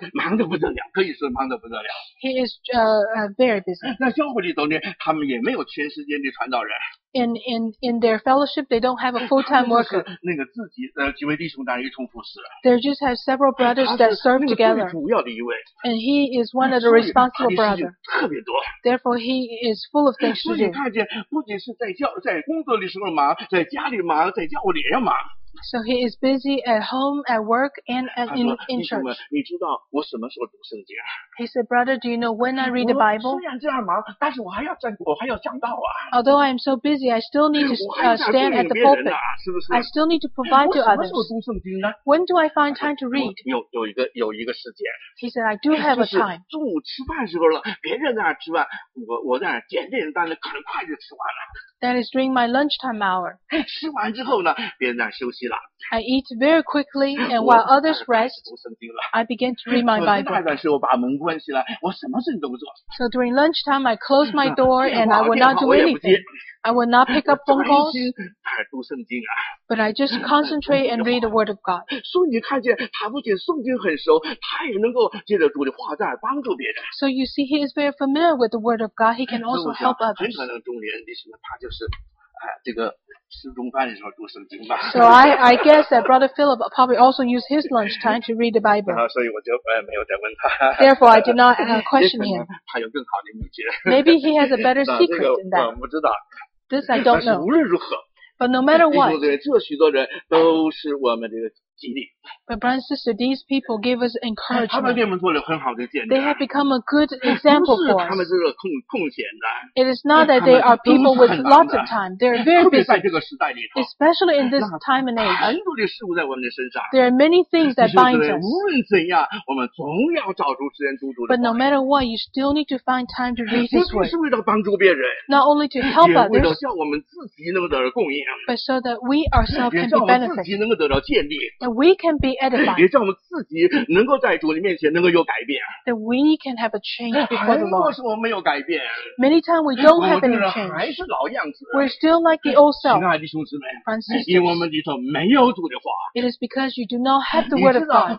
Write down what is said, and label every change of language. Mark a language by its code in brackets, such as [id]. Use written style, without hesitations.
[zh] 忙得不得了，可以说忙得不得了。 [en] He is very busy. [zh] 那教会里头呢，他们也没有全时间的传道人。 [en] In their fellowship, they don't have a full-time worker. [zh] 那个自己几位弟兄当一同服侍。 [en] They just have several brothers that serve together. [zh] 他是最主要的一位。 [en] And he is one of the responsible brothers. [zh] 所以他的事情特别多。 [en] Therefore, he is full of things to do. [zh] 所以看见不仅是在工作的时候忙，在家里忙，在教会里也忙。 [en] So he is busy at home, at work, and in church. [zh] 你知道我什么时候读圣经？ [en] He said, brother, do you know when I read the Bible? [zh] 虽然这样忙，但是我还要讲道啊。 [en] Although I am so busy, I still need to stand at the pulpit. [zh] 是不是？ [en] I still need to provide to others. [zh] 我什么时候读圣经呢？ [en] When do I find time to read? [zh] 有一个时间。 [en] He said, I do have a time. [zh] 就是中午吃饭时候了，别人在那吃饭，我在那捡点担子，可能快就吃完了。 [en] That is during my lunchtime hour. [zh] 吃完之后呢，别人在休息了。 [en] I eat very quickly, and while others rest, I begin to read my Bible. [zh] 那段时候把门关起来，我什么事都不做。 [en] So during lunchtime, I close my door and I will not do anything. I will not pick up phone calls. [zh] 读圣经啊。 [en] But I just concentrate and read the Word of God. [zh] 所以你看见他不仅圣经很熟，他也能够借着主的话在帮助别人。 [en] So you see, he is very familiar with the Word of God. He can also help others. [zh] 很可能中年弟兄他就是。这个吃中饭的时候读圣经吧。 [en] So I guess that Brother Philip probably also used his lunch time to read the Bible. [zh] 所以我就没有再问他。 [en] Therefore, I did not question him. [zh] 他有更好的秘诀。 [en] Maybe he has a better secret than that. [zh] 我不知道。 [en] This I don't know. [zh] 但是无论如何。 [en] But no matter what. [zh] 这许多人都是我们这个激励。 [en] But brother and sister, these people give us encouragement. [zh] 他们给我们做了很好的见证。 [en] They have become a good example for us. [zh] 他们是空闲的。 [en] It is not that they are people with lots of time. They are very busy. [zh] 特别在这个时代里头。 [en] Especially in this time and age. [zh] 很多的事物在我们的身上。 [en] There are many things that bind us. [zh] 无论怎样，我们总要找出时间读读。 [en] But no matter what, you still need to find time to read His word. [zh] 不是为了帮助别人。 [en] Not only to help others. [zh] 也为了叫我们自己能够得到供应。 [en] But so that we ourselves can be benefited. [zh] 也叫我们自己能够得到建立。 [en] That we can be edified. [zh] 也叫我们自己能够在主的面前能够有改变。 [en] That we can have a change before the Lord. [zh] 很多时候我们没有改变。 [en] Many times we don't have any change. [zh] 还是老样子。 [en] We're still like the old self. [zh] 亲爱的弟兄姊妹。 [en] Francis. [zh] 因为我们里头没有主的话。 [en] It is because you do not have the word of God.